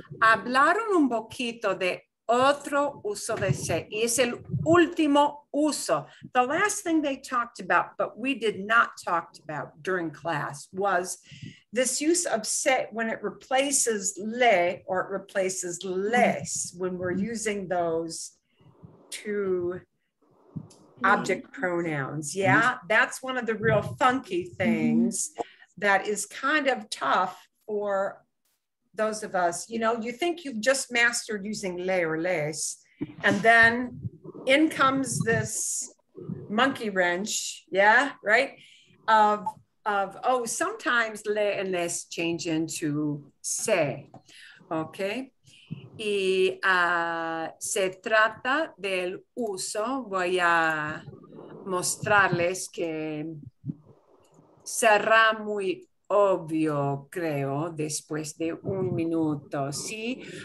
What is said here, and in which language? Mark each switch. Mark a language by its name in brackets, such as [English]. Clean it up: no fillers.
[Spanish] Hablaron un poquito de otro uso de se, y es el último uso. [English] The last thing they talked about, but we did not talk about during class, was this use of se when it replaces le or it replaces les, when we're using those two object pronouns. Yeah, that's one of the real funky things that is kind of tough for those of us. You know, you think you've just mastered using le or les, and then in comes this monkey wrench, yeah, right, of oh, sometimes le and les change into se. Okay. [Spanish] Y se trata del uso, voy a mostrarles que será muy obvio, creo, después de un minuto, ¿sí?